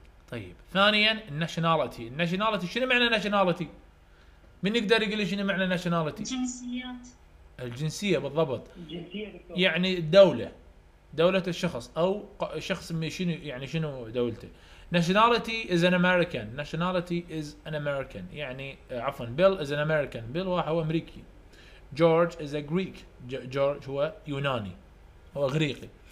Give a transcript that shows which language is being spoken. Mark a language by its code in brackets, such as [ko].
[ar] طيب ثانيا الناشناليتي، الناشناليتي شنو معنى ناشناليتي؟ من يقدر يقول لي شنو معنى ناشناليتي؟ الجنسيات. الجنسية بالضبط. الجنسية يعني الدولة، دولة الشخص أو شخص شنو يعني شنو دولته. [en] Nationality is an American. Nationality is an American. [ar] يعني عفوا [en] Bill is an American. [ar] Bill واحد هو أمريكي. [en] George is a Greek. [ar] George هو يوناني، هو إغريقي.